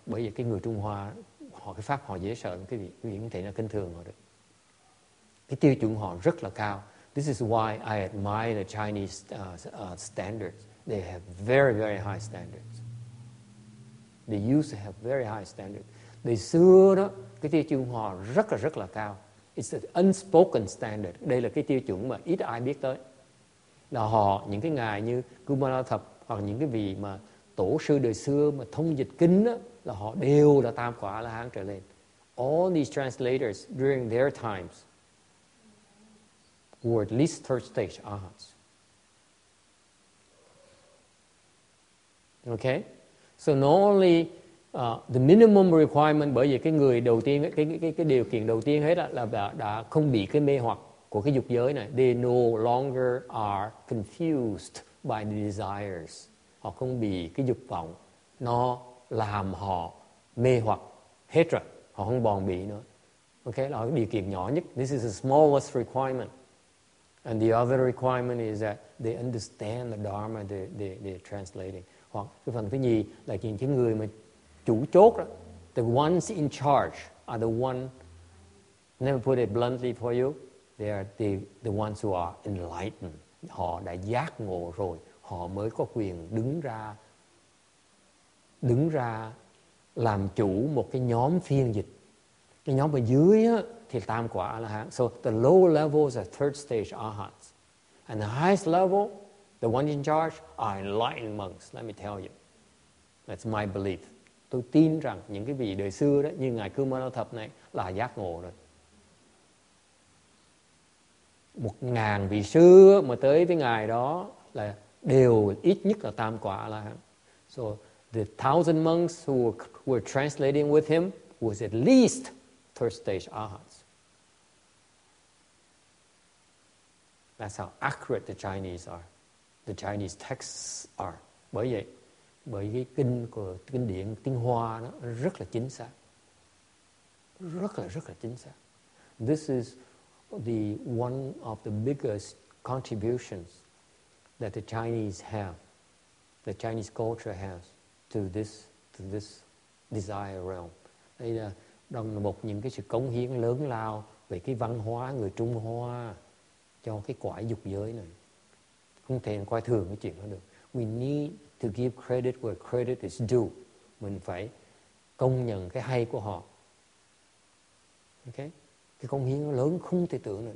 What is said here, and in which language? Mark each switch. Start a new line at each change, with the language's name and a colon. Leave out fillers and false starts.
Vietnamese: Bởi vì cái người Trung Hoa, họ cái pháp họ dễ sợ, quý vị cũng thấy nó kinh thường rồi. Cái tiêu chuẩn họ rất là cao.
English: This is why I admire the Chinese standards. They have very, very high standards. They used to have very high standards.
Vietnamese: Đời xưa đó, cái tiêu chuẩn họ rất là cao.
English: It's an unspoken standard.
Vietnamese: Đây là cái tiêu chuẩn mà ít ai biết tới. Là họ, những cái ngài như Kumara Thập, hoặc những cái vị mà tổ sư đời xưa mà thông dịch kinh đó, là họ đều là tam quả A-la-hán trở lên.
English: All these translators during their times were at least third stage arhats. Okay? So not only the minimum requirement,
Vietnamese: bởi vì cái người đầu tiên, cái điều kiện đầu tiên hết là đã không bị cái mê hoặc của cái dục giới này.
English: They no longer are confused by the desires.
Vietnamese: Họ không bị cái dục vọng nó làm họ mê hoặc hết rồi. Họ không bòn bị nữa. Okay, là điều kiện nhỏ nhất.
English: This is the smallest requirement. And the other requirement is that they understand the dharma they're translating.
Vietnamese: Hoặc cái phần thứ nhì là những cái người mà chủ chốt đó.
English: The ones in charge are the one, let me put it bluntly for you, they are the ones who are enlightened.
Vietnamese: Họ đã giác ngộ rồi, họ mới có quyền đứng ra làm chủ một cái nhóm phiên dịch. Cái nhóm ở dưới á thì tam quả A-la-hán.
English: So the lower levels are third stage arhats. And the highest level, the ones in charge, are enlightened monks. Let me tell you. That's my belief.
Vietnamese: Tôi tin rằng những cái vị đời xưa đó, như ngài Kumara Thập này, là giác ngộ rồi. 1,000 vị sư mà tới với ngài đó là đều ít nhất là tam quả A-la-hán.
English: So the 1,000 monks who were translating with him was at least third stage arhats. That's how accurate the Chinese are. The Chinese texts are.
Vietnamese: Bởi vậy, kinh điển tiếng Hoa nó rất là chính xác. Rất là chính xác.
English: This is the one of the biggest contributions that the Chinese have, the Chinese culture has to this desire realm.
Vietnamese: Đây là một những cái sự cống hiến lớn lao về cái văn hóa người Trung Hoa cho cái quả dục giới này. Không thể coi thường cái chuyện đó được.
English: We need to give credit where credit is due.
Vietnamese: Mình phải công nhận cái hay của họ. Okay? Cái công hiến lớn không thể tưởng được.